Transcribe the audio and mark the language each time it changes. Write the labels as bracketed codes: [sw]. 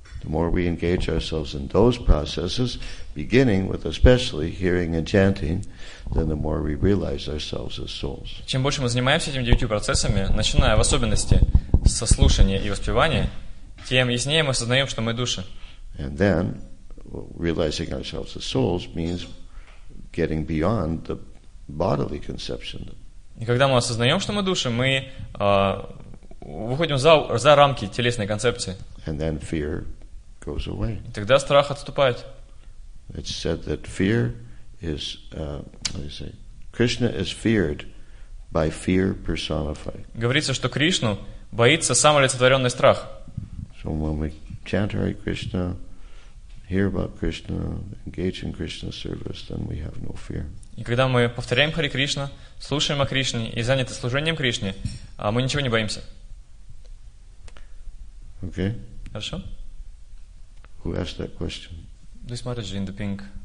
[en] The more we engage ourselves in those processes, beginning with especially hearing and chanting, then the more we realize ourselves as souls. [ru] Чем больше мы занимаемся этими 9 процессами, начиная в особенности со слушания и воспевания, тем яснее мы осознаем, что мы души. [en] And then, realizing ourselves as souls means getting beyond the bodily conception. [ru] И когда мы осознаем, что мы души, мы выходим за рамки телесной концепции. [en] And then fear goes away. [ru] И тогда страх отступает. [en] It's said that fear is, let me say, Krishna is feared by fear personified. [ru] Говорится, что Кришну боится самолицетворенный страх. [en] So when we chant Hare Krishna, hear about Krishna, engage in Krishna's service, then we have no fear. [ru] И когда мы повторяем Хари Кришна, слушаем о Кришне и заняты служением Кришне, мы ничего не боимся. [en] Okay. [ru] Хорошо. [en] Who asked that question? This Maharaj in the pink.